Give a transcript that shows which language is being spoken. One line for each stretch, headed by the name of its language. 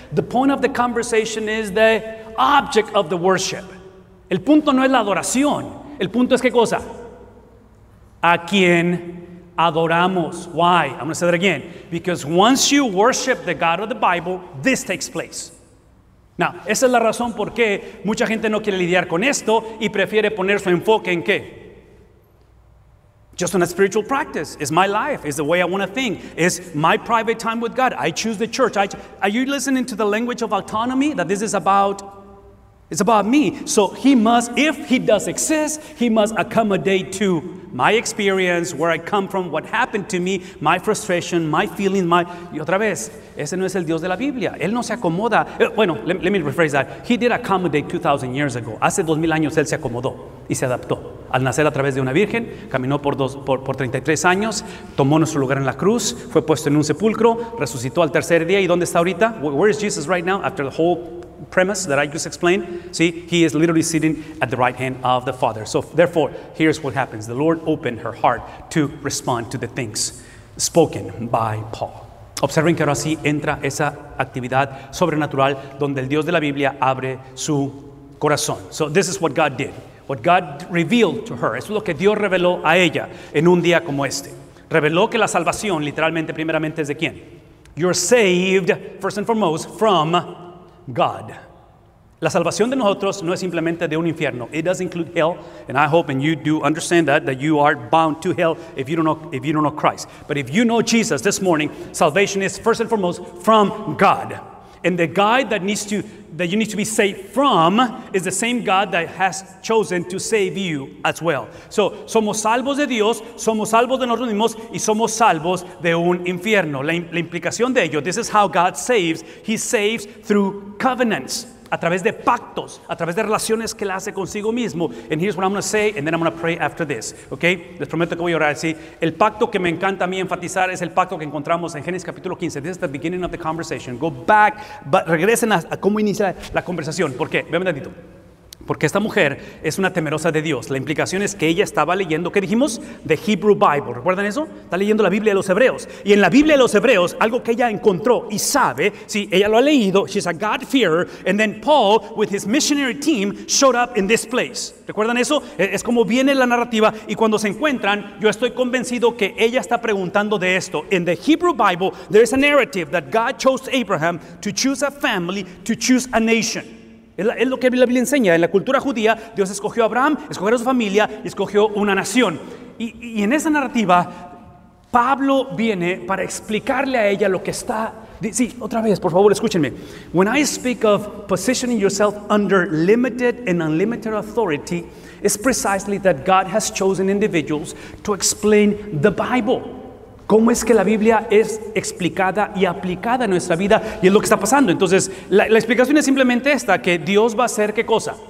English: The point of the conversation is the object of the worship.
Spanish: El punto no es la adoración. El punto es qué cosa. A quién adoramos.
English: Why? I'm going to say that again. Because once you worship the God of the Bible, this takes place.
Spanish: Now, esa es la razón por qué mucha gente no quiere lidiar con esto y prefiere poner su enfoque en qué.
English: Just on a spiritual practice. It's my life. It's the way I want to think. It's my private time with God. I choose the church. Are you listening to the language of autonomy? That this is about? It's about me. So he must, if he does exist, he must accommodate to my experience, where I come from, what happened to me, my frustration, my feelings, my...
Spanish: Y otra vez, ese no es el Dios de la Biblia. Él no se acomoda. Bueno,
English: let me rephrase that. He did accommodate 2,000 years ago.
Spanish: Hace 2,000 años él se acomodó y se adaptó. Al nacer a través de una virgen, caminó por 33 años, tomó nuestro lugar en la cruz, fue puesto en un sepulcro, resucitó al tercer día. ¿Y dónde está ahorita?
English: Where is Jesus right now after the whole premise that I just explained? See, he is literally sitting at the right hand of the Father. So therefore, here's what happens. The Lord opened her heart to respond to the things spoken by Paul.
Spanish: Observen que ahora sí entra esa actividad sobrenatural donde el Dios de la Biblia abre su corazón.
English: So this is what God did. What God revealed to her.
Spanish: Es lo que Dios reveló a ella en un día como este. Reveló que la salvación, literalmente, primeramente, ¿es de quién?
English: You're saved, first and foremost, from God.
Spanish: La salvación de nosotros no es simplemente de un infierno.
English: It does include hell, and I hope and you do understand that you are bound to hell if you don't know Christ. But if you know Jesus this morning, salvation is first and foremost from God. And the God that you need to be saved from is the same God that has chosen to save you as well.
Spanish: So, somos salvos de Dios, somos salvos de nosotros mismos, y somos salvos de un infierno. La implicación de ello,
English: this is how God saves. He saves through covenants,
Spanish: a través de pactos, a través de relaciones que él hace consigo mismo.
English: And here's what I'm going to say, and then I'm going to pray after this.
Spanish: Okay? Les prometo que voy a orar. Sí. El pacto que me encanta a mí enfatizar es el pacto que encontramos en Génesis capítulo 15.
English: This is the beginning of the conversation. Go back, but
Spanish: regresen a cómo inicia la conversación. ¿Por qué? Veanme un ratito. Porque esta mujer es una temerosa de Dios. La implicación es que ella estaba leyendo, ¿qué dijimos?
English: The Hebrew Bible.
Spanish: ¿Recuerdan eso? Está leyendo la Biblia de los Hebreos. Y en la Biblia de los Hebreos, algo que ella encontró y sabe, sí, ella lo ha leído,
English: she's a God-fearer, and then Paul, with his missionary team, showed up in this place.
Spanish: ¿Recuerdan eso? Es como viene la narrativa, y cuando se encuentran, yo estoy convencido que ella está preguntando de esto.
English: In the Hebrew Bible, there is a narrative that God chose Abraham to choose a family, to choose a nation.
Spanish: Es lo que la Biblia enseña. En la cultura judía, Dios escogió a Abraham, escogió a su familia y escogió una nación. Y en esa narrativa, Pablo viene para explicarle a ella lo que está... Sí, otra vez, por favor, escúchenme.
English: When I speak of positioning yourself under limited and unlimited authority, it's precisely that God has chosen individuals to explain the Bible.
Spanish: ¿Cómo es que la Biblia es explicada y aplicada en nuestra vida? Y es lo que está pasando. Entonces, la explicación es simplemente esta, que Dios va a hacer ¿qué cosa?